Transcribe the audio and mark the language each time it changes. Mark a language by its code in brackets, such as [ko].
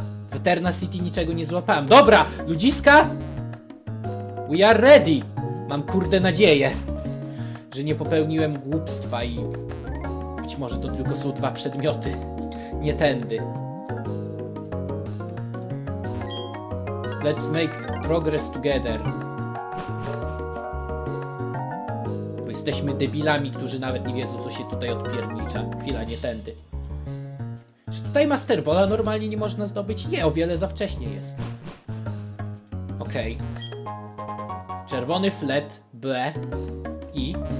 [pl] W Eterna City niczego nie złapałem. Dobra, ludziska! [en] We are ready! [pl] Mam kurde nadzieję, że nie popełniłem głupstwa i być może to tylko są dwa przedmioty, nie tędy. [en] Let's make progress together. [pl] Bo jesteśmy debilami, którzy nawet nie wiedzą, co się tutaj odpiernicza. Chwila, nie tędy. Czy tutaj Master Balla normalnie nie można zdobyć? Nie, o wiele za wcześnie jest. Okej. Czerwony flet, B i...